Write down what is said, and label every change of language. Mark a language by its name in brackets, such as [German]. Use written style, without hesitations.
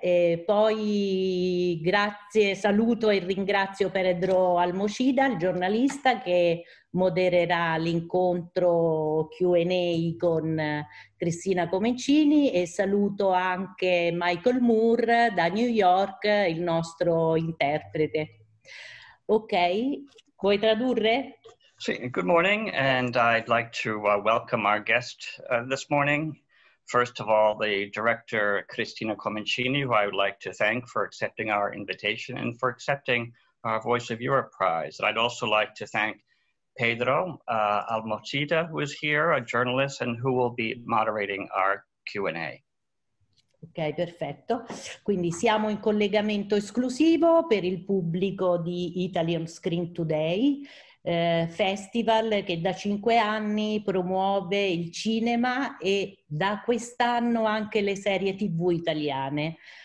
[Italian] E poi grazie, saluto e ringrazio Pedro Almocida, il giornalista che modererà l'incontro Q&A con Cristina Comencini e saluto anche Michael Moore da New York, il nostro interprete. Ok, vuoi tradurre? [English] Good morning, and I'd like to welcome our guest this morning. First of all, the director Cristina Comencini, who I would like to thank for accepting our invitation and for accepting our Voice of Europe prize. And I'd also like to thank Pedro Almocida, who is here, a journalist, and who will be moderating our Q&A. [Italian] Ok, perfetto. Quindi siamo in collegamento esclusivo per il pubblico di Italian Screen Today, festival che da 5 anni promuove il cinema e da quest'anno anche le serie TV italiane.